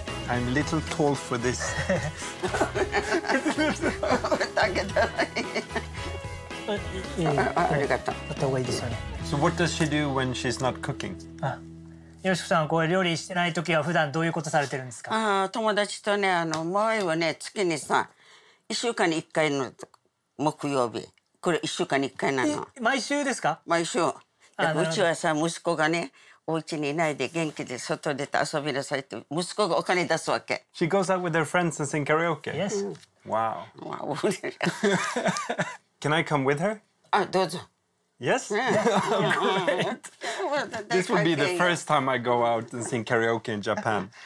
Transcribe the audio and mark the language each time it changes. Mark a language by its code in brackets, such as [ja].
[en] I'm a little tall for this. [ja] ありがとう。あったほうがいいですよね。 [en] So what does she do when she's not cooking? [ja] よしこさんはこう料理してないときは普段どういうことされてるんですか。ああ、友達とね、あの前はね、月にさ、1週間に1回の木曜日、これ1週間に1回なの。毎週ですか。毎週。うちはさ、息子がね、お家にいないで元気で外出て遊びなさいって息子がお金出すわけ。 [en] She goes out with her friends and sing karaoke. Yes. Wow. Wow. Can I come with her? [ja] あ、どうぞ。 [en] Yes? Yeah. Great. This would be the first time I go out and sing karaoke in Japan.